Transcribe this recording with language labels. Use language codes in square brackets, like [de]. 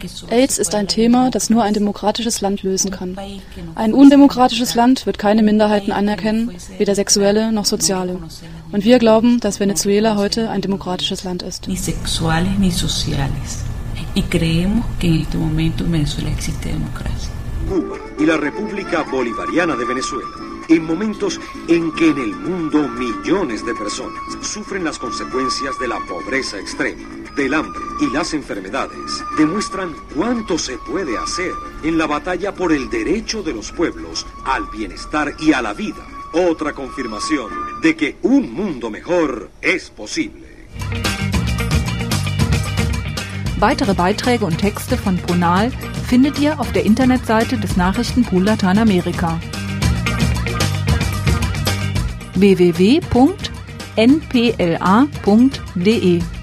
[de] AIDS ist ein Thema, das nur ein demokratisches Land lösen kann. Ein undemokratisches Land wird keine Minderheiten anerkennen, weder sexuelle noch soziale. Und wir glauben, dass Venezuela heute ein demokratisches Land ist. [es] Ni sexuales ni sociales. Y creemos que en este momento en Venezuela existe democracia. Cuba y la República Bolivariana de Venezuela. En momentos en que en el mundo millones de personas sufren las consecuencias de la pobreza extrema. del hambre y las enfermedades demuestran cuánto se puede hacer en la batalla por el derecho de los pueblos al bienestar y a la vida. Otra confirmación de que un mundo mejor es posible. [de] Weitere Beiträge und Texte von Pronal findet ihr auf der Internetseite des Nachrichtenpool Lateinamerika. www.npla.de